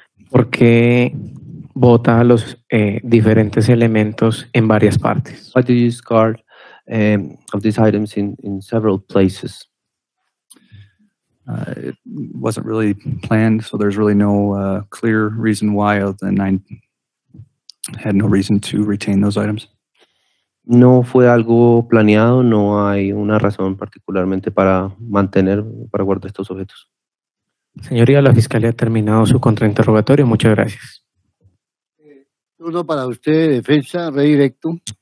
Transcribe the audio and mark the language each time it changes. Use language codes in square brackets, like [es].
[es] ¿Por qué bota los diferentes elementos en varias partes? [en] Why do you discard of these items in several places? It wasn't really planned, so there's really no clear reason why, other than I had no reason to retain those items. [es] No fue algo planeado, no hay una razón particularmente para guardar estos objetos. Señoría, la fiscalía ha terminado su contrainterrogatorio. Muchas gracias. Turno para usted, defensa, redirecto.